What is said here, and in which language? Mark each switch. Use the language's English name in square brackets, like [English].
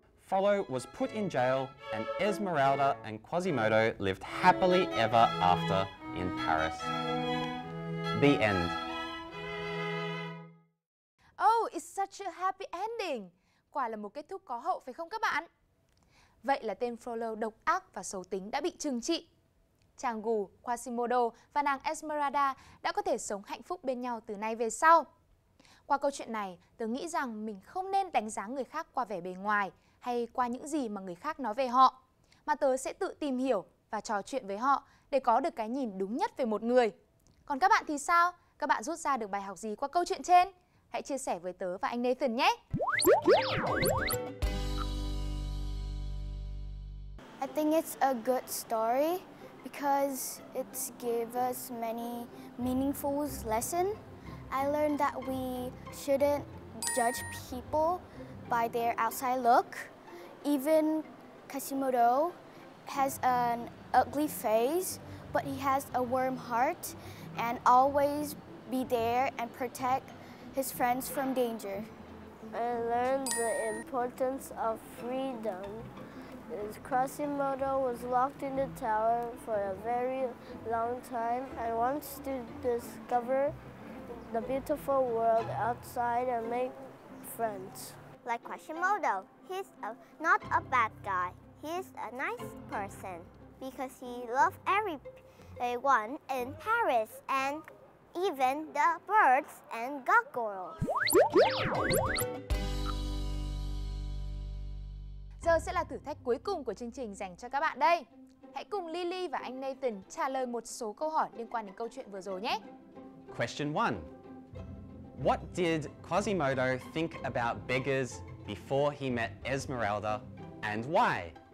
[English] Follow was put in jail and Esmeralda and Quasimodo lived happily ever after in Paris. The end. Oh, it's such a happy ending. [Vietnamese] Quả là một kết thúc có hậu phải không các bạn? Vậy là tên Follow độc ác và xấu tính đã bị trừng trị. Chàng gù Quasimodo và nàng Esmeralda đã có thể sống hạnh phúc bên nhau từ nay về sau. Qua câu chuyện này, tớ nghĩ rằng mình không nên đánh giá người khác qua vẻ bề ngoài hay qua những gì mà người khác nói về họ, mà tớ sẽ tự tìm hiểu và trò chuyện với họ để có được cái nhìn đúng nhất về một người. Còn các bạn thì sao? Các bạn rút ra được bài học gì qua câu chuyện trên? Hãy chia sẻ với tớ và anh Nathan nhé! [English] I think it's a good story because it gave us many meaningful lessons. I learned that we shouldn't judge people by their outside look. Even Quasimodo has an ugly face, but he has a warm heart and always be there and protect his friends from danger. I learned the importance of freedom. Quasimodo was locked in the tower for a very long time and wants to discover the beautiful world outside and make friends. Like Quasimodo, he's not a bad guy. He's a nice person because he loves everyone in Paris and even the birds and gargoyles. [Vietnamese] Giờ sẽ là thử thách cuối cùng của chương trình dành cho các bạn đây. Hãy cùng Lily và anh Nathan trả lời một số câu hỏi liên quan đến câu chuyện vừa rồi nhé. [English] Question 1. What did Quasimodo think about beggars before he met Esmeralda and why?